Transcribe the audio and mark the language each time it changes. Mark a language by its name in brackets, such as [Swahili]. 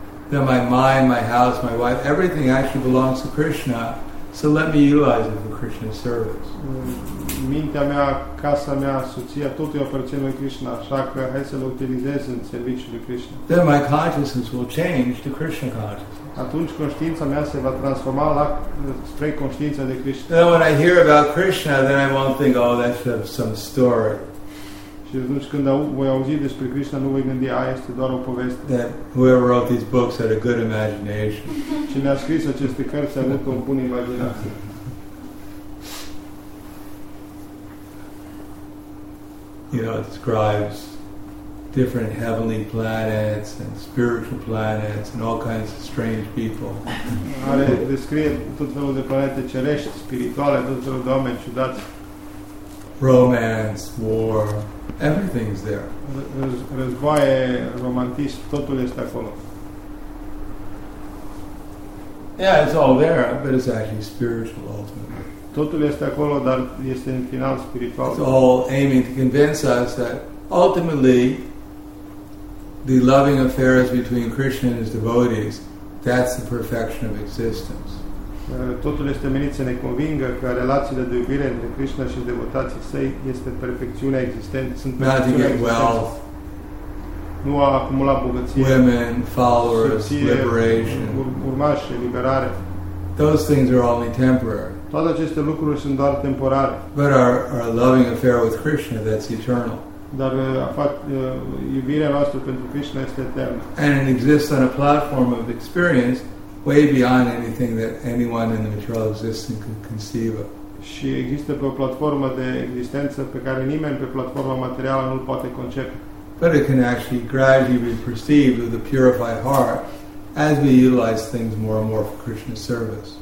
[English] that my mind, my house, my wife, everything actually belongs to Krishna. So let me utilize it for Krishna's service. [Romanian] Mintea mea, casa mea, soția, tot îi aparține lui Krishna, așa că hai să le utilizez în serviciul lui Krishna. [English] Then my consciousness will change to Krishna consciousness. [Romanian] Atunci conștiința mea se va transforma la spre conștiința de Krishna. [English] Then when I hear about Krishna, then I won't think, oh, that's some story. [Romanian] Și atunci când voi auzi despre Krishna, nu voi gândi, aia este doar o poveste. [English] That whoever wrote these books had a good imagination. [Romanian] Cine a scris aceste cărți a avut o bună imaginație. [English] You know, it describes different heavenly planets and spiritual planets and all kinds of strange people. [Romanian] Are descrie tot felul de planete cerești, spirituale, tot felul de oameni ciudați. [English] Romance, war, everything's there. [Romanian] Războaie, romantism, totul este acolo. [English] Yeah, it's all there, but it's actually spiritual ultimately. [Romanian] Totul este acolo, dar este în final spiritual. [English] It's all aiming to convince us that ultimately the loving affairs between Krishna and his devotees, that's the perfection of existence. [Romanian] Totul este menit să ne convingă că relațiile de iubire între Krishna și devotații săi este perfecțiunea existenței. [English] Not to get wealth. [Romanian] Nu a acumula bogăție. [English] Women, followers, liberation. [Romanian] Urmașe, liberare. [English] Those things are only temporary. [Romanian] Toate aceste lucruri sunt doar temporare. [English] But our loving affair with Krishna, that's eternal. [Romanian] Dar iubirea noastră pentru Krishna este eternă. [English] And it exists on a platform of experience way beyond anything that anyone in the material existence could conceive of. [Romanian] Și există pe o platformă de existență pe care nimeni pe platforma materială nu poate concepe. [English] But it can actually gradually be perceived with a purified heart as we utilize things more and more for Krishna's service.